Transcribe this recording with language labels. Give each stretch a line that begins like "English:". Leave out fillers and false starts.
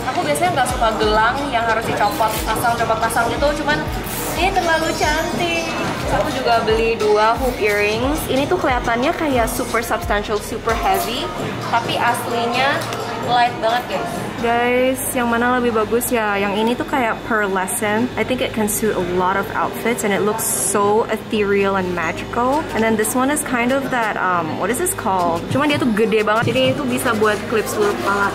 Indonesian: Aku biasanya gak suka gelang yang harus dicopot pasang-copot-pasang gitu. Cuman ini terlalu cantik. Aku juga beli 2 hoop earrings. Ini tuh kelihatannya kayak
English: super substantial, super heavy,
Indonesian: tapi aslinya light banget guys. Guys, yang mana lebih bagus ya? Yang ini tuh kayak pearlescent.
English: I think it can suit a lot of outfits and it looks so ethereal and magical. And then this one is kind of that, what is this called?
Indonesian: Cuman dia tuh gede banget, jadi itu bisa buat clip seluruh kepala.